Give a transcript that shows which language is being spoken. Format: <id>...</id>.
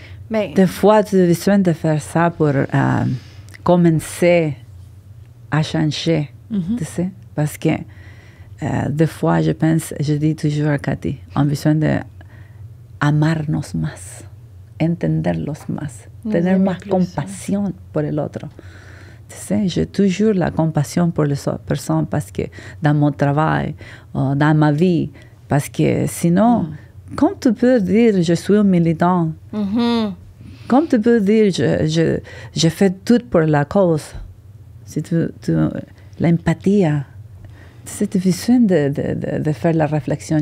<fr>Mais... Des fois, tu as besoin de faire ça pour commencer à changer. Tu sais? Parce que des fois, je pense, je dis toujours à Cathy, on a besoin d'</fr> <es>amarnos más. Entenderlos más, tener más compasión por el otro.</es> <fr>Tu sais, j'ai toujours la compassion pour les personnes parce que dans mon travail, dans ma vie, parce que sinon, comme tu peux dire je suis un militant, mm-hmm. comme tu peux dire je fais tout pour la cause, c'est tout l'empathie, c'est difficile de faire la réflexion.</fr>